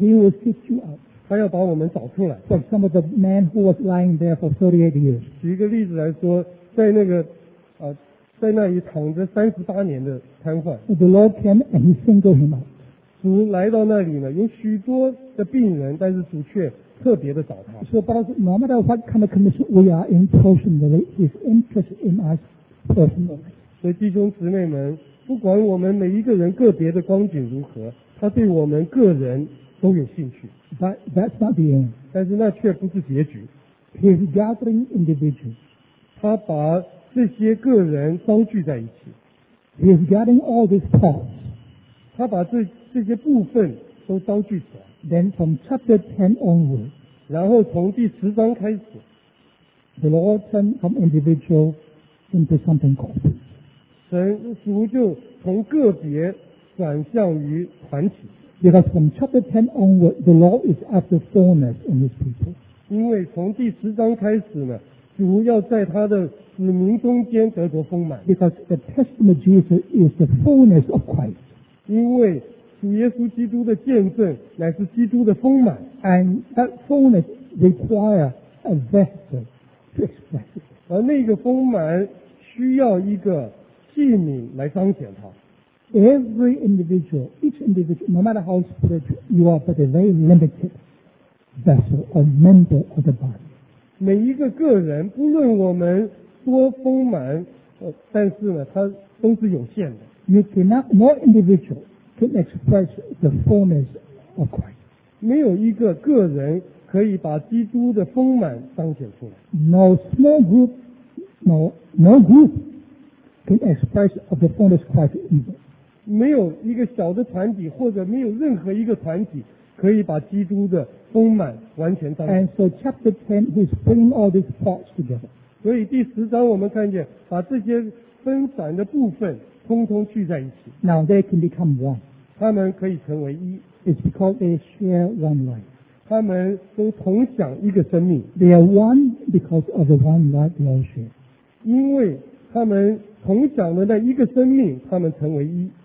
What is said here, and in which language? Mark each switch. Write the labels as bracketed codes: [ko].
[en] He will seek you out. [zh] 他要把我们找出来。 [en] For some of the men who was lying there for 38 years. [zh] 举一个例子来说，在那个在那里躺着三十八年的瘫痪。 [en] The Lord came and he singled him out. [zh] 主来到那里呢，有许多的病人，但是主却特别的找他。 [en] So, but no matter what kind of condition we are in personally, his interest in us personally. [zh] 所以弟兄姊妹们，不管我们每一个人个别的光景如何，他对我们个人都有兴趣。 [en] But that's not the end. [zh] 但是那却不是结局。 [en] He's gathering individuals. [zh] 他把这些个人遭聚在一起。 [en] He is gathering all these parts. [zh] 他把这些部分都遭聚起来。 [en] Then from chapter 10 onward, [zh] 然后从第十章开始， [en] the Lord turned from individual into something corporate. [zh] 神就从个别转向于团体。 [en] Because from chapter 10 onward, the Lord is after fullness in his people. [zh] 因为从第十章开始呢，主要在他的子民中间得着丰满。 [en] Because the testimony of Jesus is the fullness of Christ. [zh] 因为主耶稣基督的见证乃是基督的丰满。 [en] And that fullness requires a vessel to express it. [zh] 而那个丰满需要一个器皿来彰显它。 [en] Every individual, each individual, no matter how spiritual you are, but a very limited vessel or member of the body. [zh] 每一个个人，不论我们多丰满，但是呢，它都是有限的。 [en] You cannot, no individual can express the fullness of Christ. [zh] 没有一个个人可以把基督的丰满彰显出来。 [en] No small group, no group can express of the fullness of Christ either. [zh] 没有一个小的团体，或者没有任何一个团体可以把基督的丰满完全彰显。 [en] And so chapter 10 is bringing all these parts together. [zh] 所以第十章我们看见把这些分散的部分通通聚在一起。 [en] Now they can become one. [zh] 他们可以成为一。 [en] It's because they share one life. [zh] 他们都同享一个生命。 [en] They are one because of the one life they all share. [zh] 因为他们同享的那一个生命，他们成为一。